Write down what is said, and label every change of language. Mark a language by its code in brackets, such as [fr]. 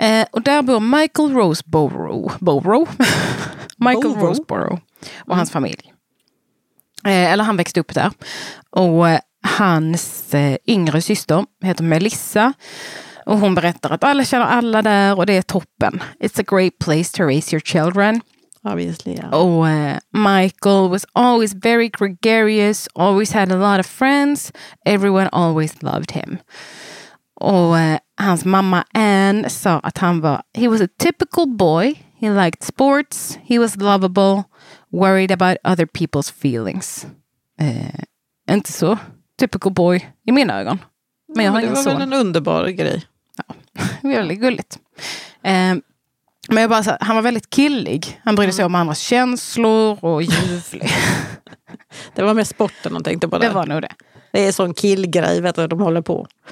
[sv] Och där bor Michael Roseborough. Michael Roseborough och hans familj. Eller han växte upp där. Och hans yngre syster heter Melissa. Och hon berättar att alla känner alla där och det är toppen. [en] It's a great place to raise your children. Obviously, yeah. [sv] Och [en] Michael was always very gregarious, always had a lot of friends. Everyone always loved him. [sv] Och hans mamma Anne sa att han var, [en] he was a typical boy. He liked sports. He was lovable. Worried about other people's feelings. [sv] Inte så. [en] Typical boy [sv] i mina ögon. Men jag har ingen son. Det var väl en underbar grej. Ja, väldigt gulligt. Men jag bara sa, han var väldigt killig. Han brydde sig om andras känslor och ljuvlig. Det var mer sport än någonting. Det var nog det. Det är en sån killgrej, vet du, de håller på.